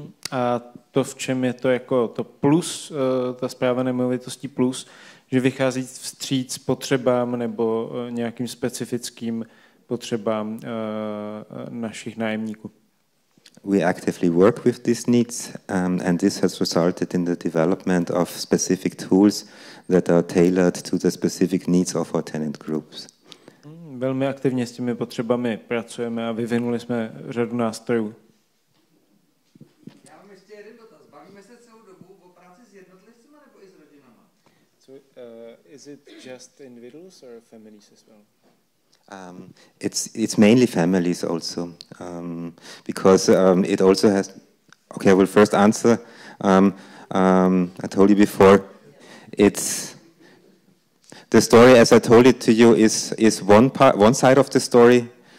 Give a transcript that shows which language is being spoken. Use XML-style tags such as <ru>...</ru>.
<cs>A to, v čem je to jako to plus, ta správa nemovitostí plus, že vychází vstříc potřebám nebo nějakým specifickým potřebám našich nájemníků.</cs> <en>We actively work with these needs and this has resulted in the development of specific tools that are tailored to the specific needs of our tenant groups.</en> <cs>Velmi aktivně s těmi potřebami pracujeme a vyvinuli jsme řadu nástrojů. Já mám ještě jeden dotaz. Bavíme se celou dobu o práci s jednotlivcima nebo i s rodinama?</cs> <en>So, is it just individuals or families as well? It's mainly families also, because it also has. Okay, I will first answer. I told you before, it's the story as I told it to you is one part, one side of the story.</en>